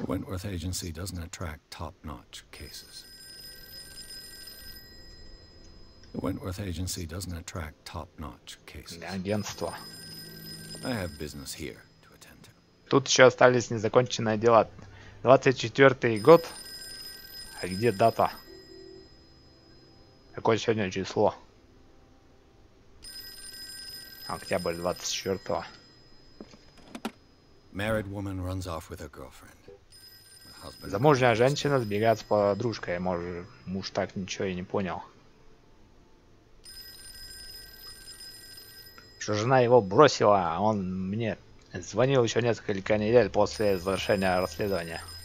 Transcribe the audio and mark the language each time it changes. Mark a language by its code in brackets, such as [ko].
[en] Wentworth Agency doesn't attract top-notch cases. The Wentworth Agency doesn't attract top-notch cases. Агентство. I have business here to attend to. [ru] Тут Тут еще остались незаконченные дела. 24-й год. А где дата? Какое сегодня число? Октябрь 24-го. [en] Married woman runs off with her girlfriend. [ru] Замужняя женщина сбегает с подружкой. Может, муж так ничего и не понял. Что жена его бросила, а он мне звонил еще несколько недель после завершения расследования.